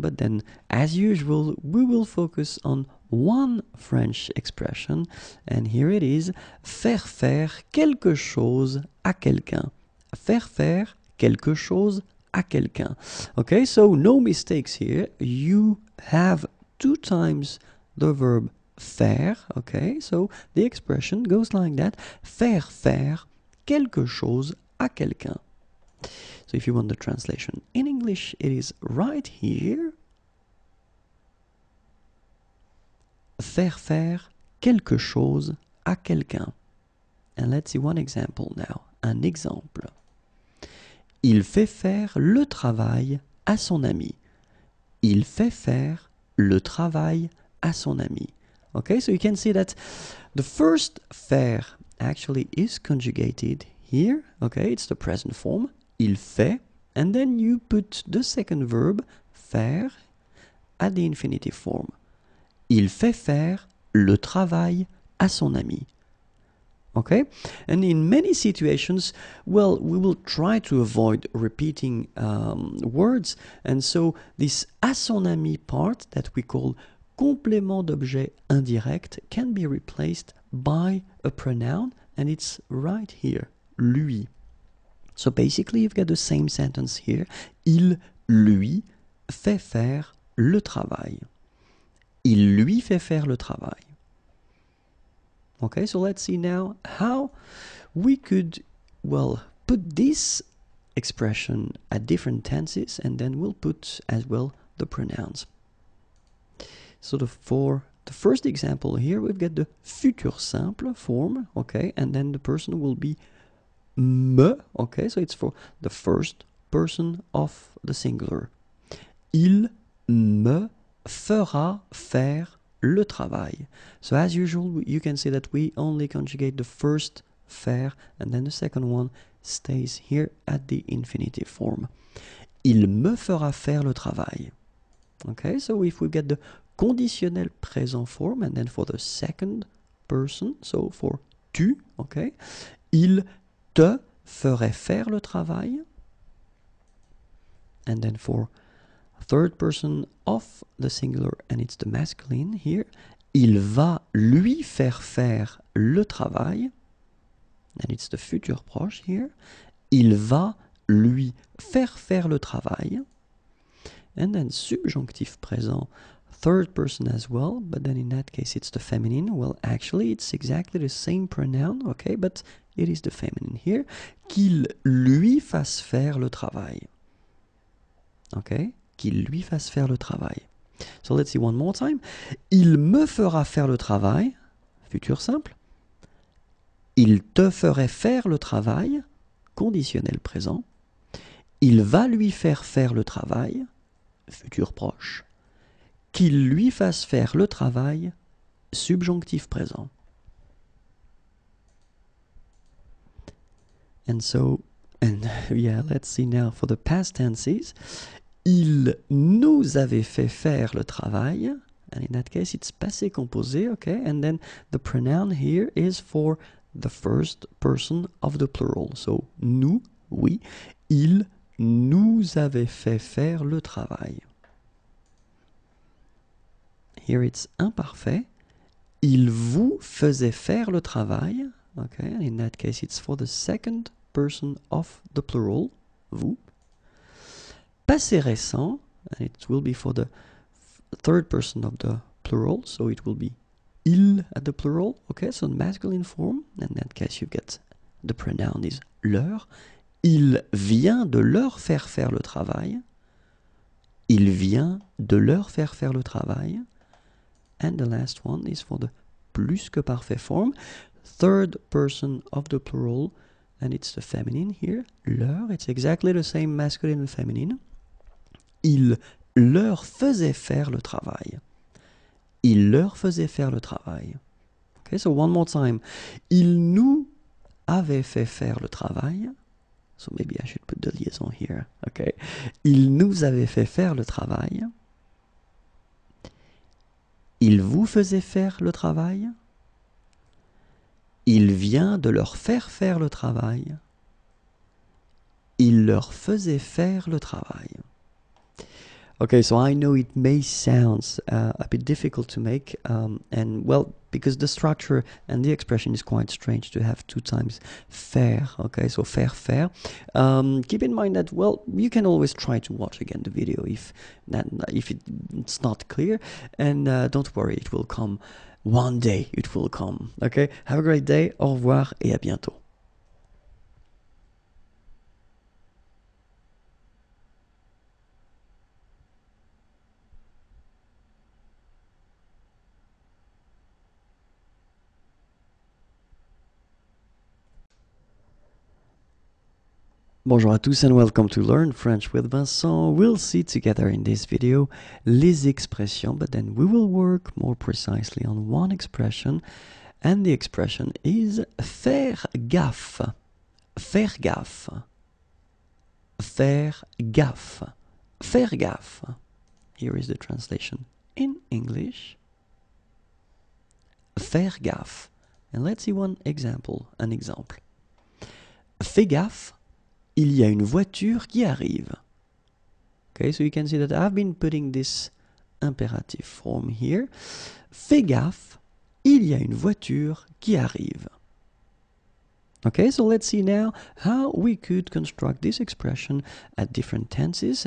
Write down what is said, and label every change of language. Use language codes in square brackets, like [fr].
[en] But then, as usual, we will focus on one French expression. And here it is, [fr] faire faire quelque chose à quelqu'un. Faire faire quelque chose à quelqu'un. [en] Okay, so no mistakes here. You have two times the verb faire, okay, so the expression goes like that, [fr] faire faire quelque chose à quelqu'un. [en] So if you want the translation in English, it is right here, [fr] faire faire quelque chose à quelqu'un. [en] And let's see one example now, [fr] un exemple. Il fait faire le travail à son ami. Il fait faire le travail à son ami. [en] Okay, so you can see that the first faire actually is conjugated here. Okay, it's the present form, il fait. And then you put the second verb, faire, at the infinitive form. [fr] Il fait faire le travail à son ami. [en] Okay, and in many situations, well, we will try to avoid repeating words. And so this à son ami part that we call complément d'objet indirect can be replaced by a pronoun, and it's right here, lui. So basically, you've got the same sentence here. [fr] Il lui fait faire le travail. Il lui fait faire le travail. [en] Okay, so let's see now how we could, well, put this expression at different tenses, and then we'll put as well the pronouns. So for the first example here, we've got the futur simple form, okay? And then the person will be me, okay? So it's for the first person of the singular. [fr] Il me fera faire le travail. [en] So as usual, you can see that we only conjugate the first faire, and then the second one stays here at the infinitive form. [fr] Il me fera faire le travail. [en] Okay, so if we get the conditionnel présent form, and then for the second person, so for tu, okay, [fr] il te ferait faire le travail, [en] and then for third person of the singular, and it's the masculine here, [fr] il va lui faire faire le travail, [en] and it's the futur proche here, il va lui faire faire le travail, and then subjonctif présent, third person as well, but then in that case it's the feminine. Well, actually it's exactly the same pronoun, okay, but it is the feminine here. [fr] Qu'il lui fasse faire le travail. Okay, qu'il lui fasse faire le travail. [en] So let's see one more time. [fr] Il me fera faire le travail, futur simple. Il te ferait faire le travail, conditionnel présent. Il va lui faire faire le travail, futur proche. Qu'il lui fasse faire le travail, subjonctif présent. [en] Let's see now for the past tenses. [fr] Il nous avait fait faire le travail. [en] And in that case, it's passé composé, okay? And then the pronoun here is for the first person of the plural. [fr] So, nous, oui. Il nous avait fait faire le travail. [en] Here it's imparfait. [fr] Il vous faisait faire le travail. [en] Okay, and in that case, it's for the second person of the plural, vous. Passé récent, and it will be for the third person of the plural, so it will be il at the plural. Okay, so in masculine form, in that case, you get the pronoun is leur. [fr] Il vient de leur faire faire le travail. Il vient de leur faire faire le travail. [en] And the last one is for the plus que parfait form. Third person of the plural, and it's the feminine here. Leur, it's exactly the same masculine and feminine. [fr] Il leur faisait faire le travail. Il leur faisait faire le travail. [en] Okay, so one more time. [fr] Il nous avait fait faire le travail. [en] So maybe I should put the liaison here. Okay. [fr] Il nous avait fait faire le travail. Il vous faisait faire le travail. Il vient de leur faire faire le travail. Il leur faisait faire le travail. [en] Okay, so I know it may sound a bit difficult to make, and well, because the structure and the expression is quite strange to have two times faire, okay, so faire, faire. Keep in mind that, well, you can always try to watch again the video if it's not clear, and don't worry, it will come. One day it will come, okay? Have a great day, [fr] au revoir et à bientôt. Bonjour à tous [en] and welcome to Learn French with Vincent. We'll see together in this video les expressions, but then we will work more precisely on one expression, and the expression is faire gaffe. Faire gaffe. [fr] Faire gaffe. Faire gaffe. [en] Here is the translation in English. [fr] Faire gaffe. [en] And let's see one example. An example. [fr] Fais gaffe. Il y a une voiture qui arrive. [en] Okay, so you can see that I've been putting this imperative form here. [fr] Fais gaffe, il y a une voiture qui arrive. [en] Okay, so let's see now how we could construct this expression at different tenses.